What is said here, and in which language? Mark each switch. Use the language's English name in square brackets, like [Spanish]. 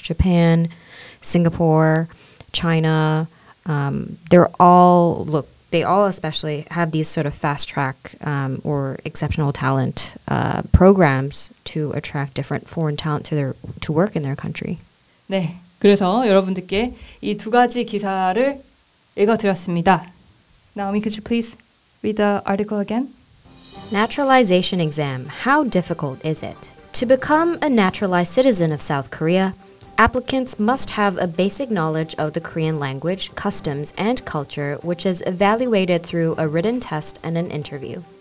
[English] Japan, Singapore, China, they all especially have these sort of fast track or exceptional talent programs to attract different foreign talent to work in their country. [Korean] 네, 그래서 여러분들께 이 두 가지 기사를 읽어드렸습니다. [English] Naomi, could you please read the article again? Naturalization exam. How difficult is it? To become a naturalized citizen of South Korea, applicants must have a basic knowledge of the Korean language, customs, and culture, which is evaluated through a written test and an interview.